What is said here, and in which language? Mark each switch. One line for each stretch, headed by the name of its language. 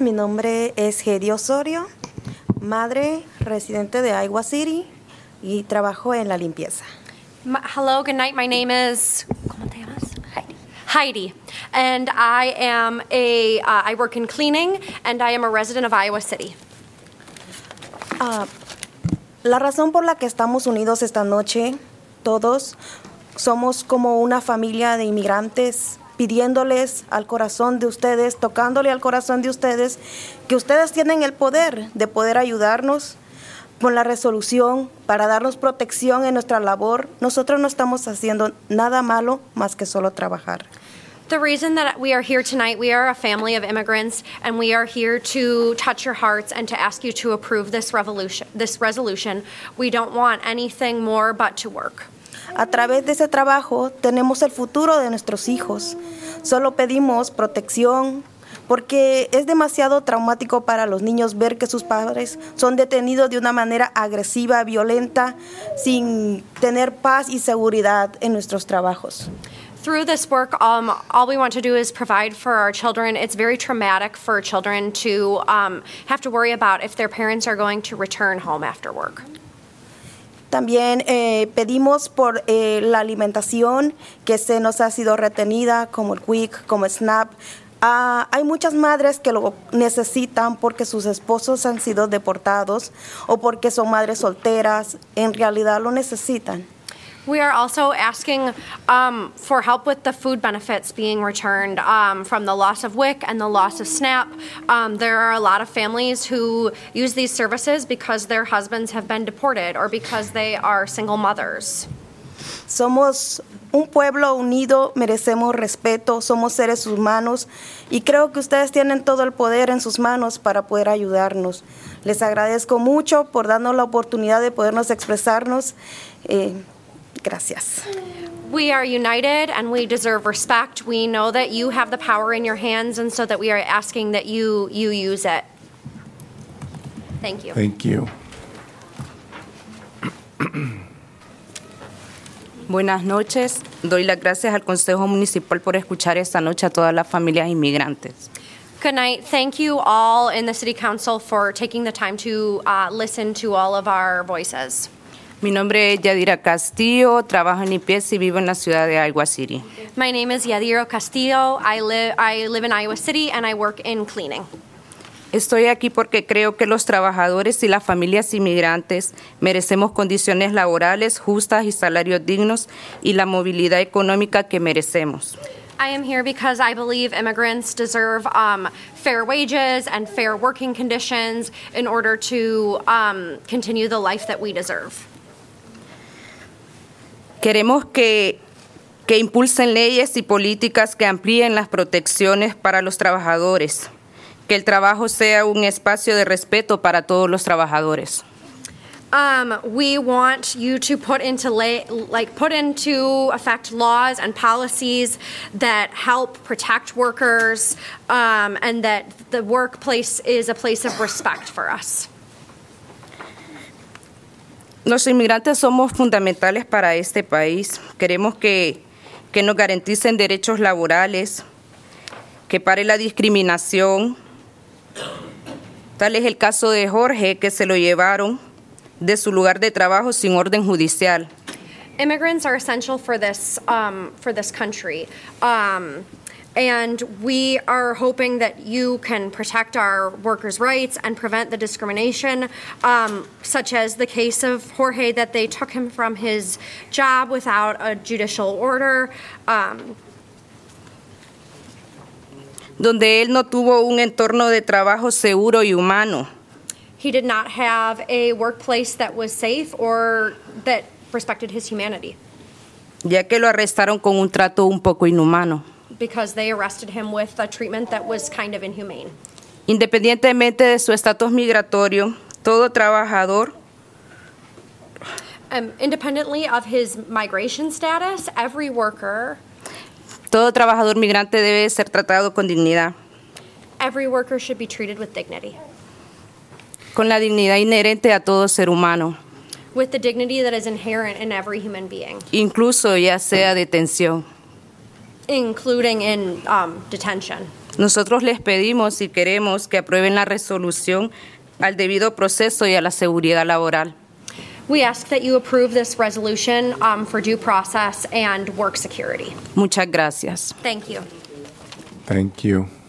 Spanish: Mi nombre es Hedy Osorio, madre, residente de Iowa City, y trabajo en la limpieza.
English: Hello, good night. My name is...
Spanish: ¿Cómo te llamas?
English: Heidi, and I am I work in cleaning, and I am a resident of Iowa City.
Spanish: La razón por la que estamos unidos esta noche, todos, somos como una familia de inmigrantes, pidiéndoles al corazón de ustedes, tocándole al corazón de ustedes, que ustedes tienen el poder de poder ayudarnos con la resolución para darnos protección en nuestra labor. Nosotros no estamos haciendo nada malo más que solo trabajar.
English: The reason that we are here tonight, we are a family of immigrants, and we are here to touch your hearts and to ask you to approve this resolution. We don't want anything more but to work.
Spanish: A través de ese trabajo, tenemos el futuro de nuestros hijos. Solo pedimos protección, porque es demasiado traumático para los niños ver que sus padres son detenidos de una manera agresiva, violenta, sin tener paz y seguridad en nuestros trabajos.
English: Through this work, all we want to do is provide for our children. It's very traumatic for children to have to worry about if their parents are going to return home after work.
Spanish: También pedimos por la alimentación que se nos ha sido retenida, como el Quick, como el SNAP. Hay muchas madres que lo necesitan porque sus esposos han sido deportados o porque son madres solteras. En realidad lo necesitan.
English: We are also asking for help with the food benefits being returned from the loss of WIC and the loss of SNAP. There are a lot of families who use these services because their husbands have been deported or because they are single mothers.
Spanish: Somos un pueblo unido, merecemos respeto, somos seres humanos y creo que ustedes tienen todo el poder en sus manos para poder ayudarnos. Les agradezco mucho por darnos la oportunidad de podernos expresarnos. Gracias.
English: We are united and we deserve respect. We know that you have the power in your hands and so that we are asking that you use it. Thank you. Thank you.
Spanish: Buenas noches. Doy las gracias al Consejo Municipal por escuchar esta noche a todas las familias inmigrantes.
English: Good night. Thank you all in the City Council for taking the time to listen to all of our voices.
Spanish: Mi nombre es Yadira Castillo, trabajo en IPS y vivo en la ciudad de Iowa City.
English: My name is Yadira Castillo. I live in Iowa City and I work in cleaning.
Spanish: Estoy aquí porque creo que los trabajadores y las familias inmigrantes merecemos condiciones laborales justas y salarios dignos y la movilidad económica que merecemos.
English: I am here because I believe immigrants deserve fair wages and fair working conditions in order to continue the life that we deserve.
Spanish: Queremos que impulsen leyes y políticas que amplíen las protecciones para los trabajadores. Que el trabajo sea un espacio de respeto para todos los trabajadores.
English: We want you to put into effect laws and policies that help protect workers and that the workplace is a place of respect for us.
Spanish: Los inmigrantes somos fundamentales para este país. Queremos que nos garanticen derechos laborales, que pare la discriminación. Tal es el caso de Jorge, que se lo llevaron de su lugar de trabajo sin orden judicial.
English: Immigrants are essential for this country. And we are hoping that you can protect our workers' rights and prevent the discrimination, such as the case of Jorge, that they took him from his job without a judicial order.
Spanish: Donde él no tuvo un entorno de trabajo seguro y humano.
English: He did not have a workplace that was safe or that respected his humanity.
Spanish: Ya que lo arrestaron con un trato un poco inhumano.
English: Because they arrested him with a treatment that was kind of inhumane.
Spanish: Independientemente de su estatus migratorio, todo trabajador.
English: Independently of his migration status, every worker.
Spanish: Todo trabajador migrante debe ser tratado con dignidad.
English: Every worker should be treated with dignity.
Spanish: Con la dignidad inherente a todo ser humano.
English: With the dignity that is inherent in every human being.
Spanish: Incluso ya sea detención.
English: Including in detention.
Spanish: Nosotros les pedimos y queremos que aprueben la resolución al debido proceso y a la seguridad laboral.
English: We ask that you approve this resolution for due process and work security.
Spanish: Muchas gracias.
English: Thank you. Thank you.